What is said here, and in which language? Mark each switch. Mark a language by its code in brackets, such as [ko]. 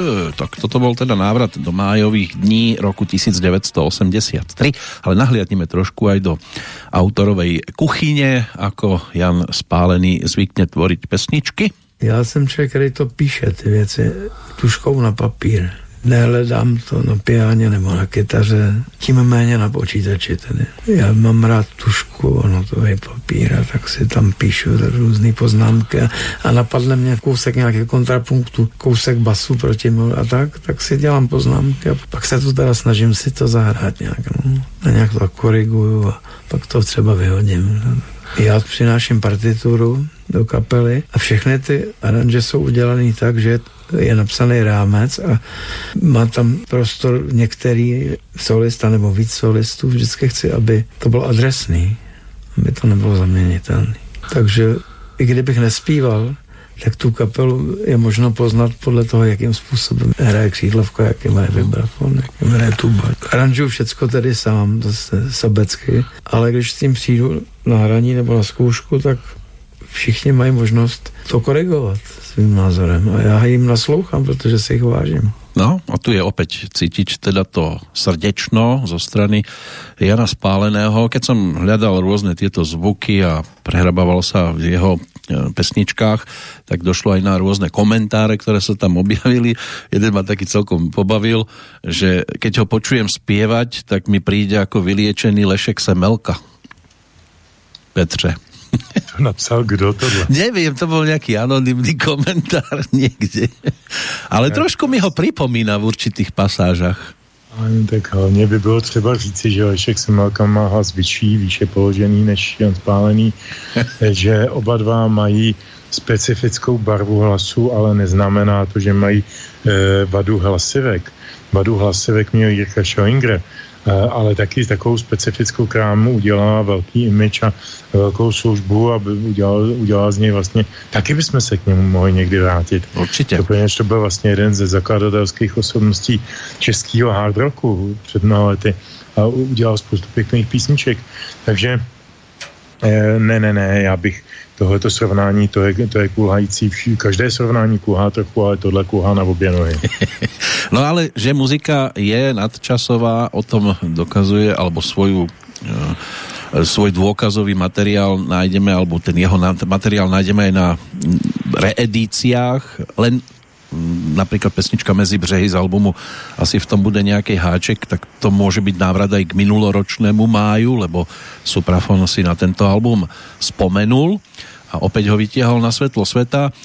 [sk] Tak toto bol teda návrat do májových dní roku 1983, ale nahliadnime trošku aj do autorovej kuchyne, ako Jan Spálený zvykne tvoriť pesničky. Ja som človek, ktorý to píše, tie veci, tuškou na papír. [cs] Nehledám to na piáne nebo na kytaře, tím méně na počítači. Tedy. Já mám rád tušku, ono to je papír, a tak si tam píšu různé poznámky a napadne mě kousek nějakého kontrapunktu, kousek basu proti mě a tak, tak si dělám poznámky a pak se tu teda snažím si to zahrát nějak. No. A nějak to koriguju a pak to třeba vyhodím. No. Já přináším partituru do kapely a všechny ty aranže jsou udělané tak, že je napsaný rámec a má tam prostor některý solista nebo víc solistů. Vždycky chci, aby to bylo adresný, aby to nebylo zaměnitelný. Takže i kdybych nespíval, tak tu kapelu je možno poznat podle toho, jakým způsobem hraje křídlovka, jakým hraje vibrafon, jakým hraje tuba. Aranžuju všecko tedy sám, zase sobecky, ale když s tím přijdu na hraní nebo na zkoušku, tak všichni mají možnost to korigovat svým názorem a já jim naslouchám, protože si jich vážím. [sk] No a tu je opäť cítiť teda to srdečno zo strany Jana Spáleného. Keď som hľadal rôzne tieto zvuky a prehrabával sa v jeho pesničkách, tak došlo aj na rôzne komentáre, ktoré sa tam objavili. Jeden ma taký celkom pobavil, že keď ho počujem spievať, tak mi príde ako vyliečený lešek Semelka. Petře. [cs] To napsal kdo tohle? [sk] Neviem, to bol nejaký anonymný komentár niekde. Ale tak trošku mi ho pripomína v určitých pasážach. [cs] Ani tak hlavne by bylo třeba říci, že Lešek Semelka má hlas vyšší, výše položený než Jan Spálený, že oba dva mají specifickou barvu hlasu, ale neznamená to, že mají vadu hlasivek. Vadu hlasivek měl Jirka Schoenger. Ale taky takovou specifickou krámu udělal velký image a velkou službu a udělal z něj vlastně, taky bychom se k němu mohli někdy vrátit. Určitě. Protože to byl vlastně jeden ze zakladatelských osobností českého hard rocku před mnoha lety a udělal spoustu pěkných písniček. Takže ne, já bych tohleto srovnání, to je kulhající, každé srovnání kulhá trochu, ale tohle kulhá na obě nohy. [sk] No ale, že muzika je nadčasová, o tom dokazuje, alebo svoj dôkazový materiál nájdeme, alebo ten jeho materiál nájdeme aj na reedíciách, len napríklad pesnička Mezi břehy z albumu, asi v tom bude nejaký háček, tak to môže byť návrat aj k minuloročnému máju, lebo Suprafon si na tento album spomenul a opäť ho vytiahol na svetlo sveta.